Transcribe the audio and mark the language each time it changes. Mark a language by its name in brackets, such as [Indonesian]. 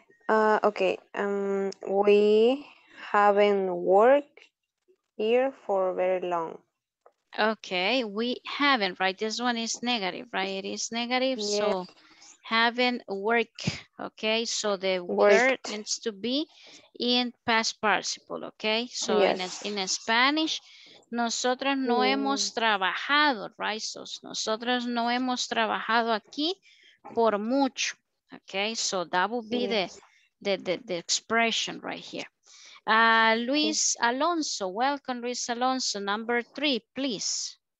[English] Okay, we haven't worked here for very long. Okay, we haven't, right? This one is negative, right? It is negative, yes. So haven't worked, okay? So the word needs to be in past participle, okay? So yes. In Spanish, [Spanish] nosotros no hemos trabajado, [English] right? [Spanish] So nosotros no hemos trabajado aquí por mucho, okay? [English] So that would be the expression right here. Luis Alonso, welcome, Luis Alonso, number three, please.